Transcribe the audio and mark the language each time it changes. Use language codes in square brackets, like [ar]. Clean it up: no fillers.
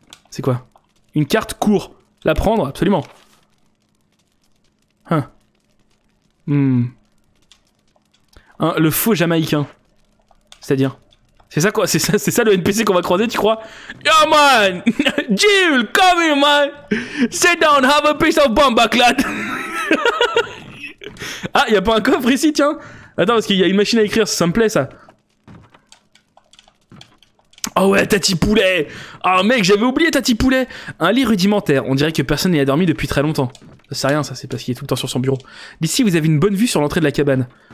[fr] C'est quoi? Une carte court. La prendre? Absolument. Hein. Hein, le faux Jamaïcain. C'est-à-dire... C'est ça quoi? C'est ça le NPC qu'on va croiser, tu crois? [en] Yo man! Jill, come here man! Sit down, have a piece of bomb back, lad! [fr] Ah, y'a pas un coffre ici, tiens! Attends, parce qu'il y a une machine à écrire, ça me plaît ça! Oh ouais, Tati Poulet! Oh mec, j'avais oublié Tati Poulet! Un lit rudimentaire, on dirait que personne n'y a dormi depuis très longtemps. C'est rien ça, c'est parce qu'il est tout le temps sur son bureau. D'ici, vous avez une bonne vue sur l'entrée de la cabane.